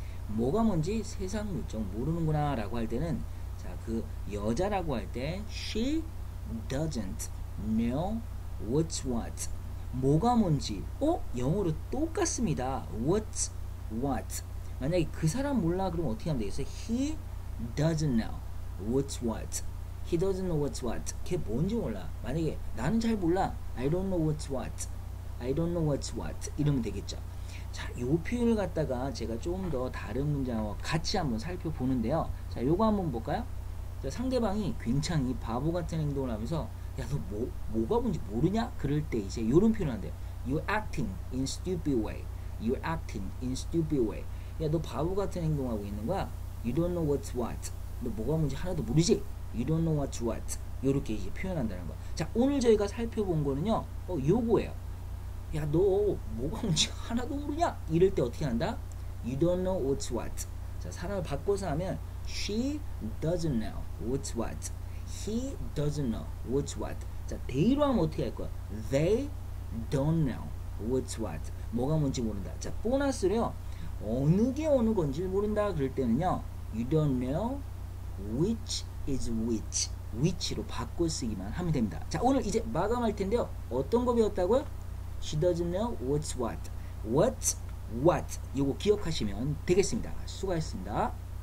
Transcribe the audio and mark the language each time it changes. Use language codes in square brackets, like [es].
[ko] 뭐가 뭔지 세상 물정 모르는구나라고 할 때는 자, 그 여자라고 할 때, [en] she doesn't know what's what. [ko] 뭐가 뭔지, 영어로 똑같습니다. [en] What's what. [ko] 만약에 그 사람 몰라, 그럼 어떻게 하면 되겠어요? [en] He doesn't know what's what. He doesn't know what's what. [ko] 걔 뭔지 몰라. 만약에 나는 잘 몰라. [en] I don't know what's what. I don't know what's what. [ko] 이러면 되겠죠. 자, 요 표현을 갖다가 제가 조금 더 다른 문장하고 같이 한번 살펴보는데요. 자, 요거 한번 볼까요? 자, 상대방이 굉장히 바보 같은 행동을 하면서 야, 너 뭐가 뭔지 모르냐? 그럴 때 이제 요런 표현을 한대요. [en] You acting in stupid way. You acting in stupid way. [ko] 야, 너 바보 같은 행동하고 있는 거야? [en] You don't know what's what. [ko] 너 뭐가 뭔지 하나도 모르지? [en] You don't know what's what. [ko] 요렇게 이제 표현한다는 거. 자, 오늘 저희가 살펴본 거는요. 요거예요. 야, 너 뭐가 뭔지 하나도 모르냐? 이럴 때 어떻게 한다? [en] You don't know what's what. [ko] 자, 사람을 바꿔서 하면 [en] She doesn't know what's what. He doesn't know what's what. [ko] 자, 대의로 하면 어떻게 할 거야? [en] They don't know what's what. [ko] 뭐가 뭔지 모른다. 자, 보너스로요. 어느 게 어느 건지 모른다. 그럴 때는요. [en] You don't know which is which. [ko] Which로 바꿔 쓰기만 하면 됩니다. 자, 오늘 이제 마감할 텐데요. 어떤 거 배웠다고요? [en] She doesn't know what's what. What's what? [ko] 이거 기억하시면 되겠습니다. 수고하셨습니다.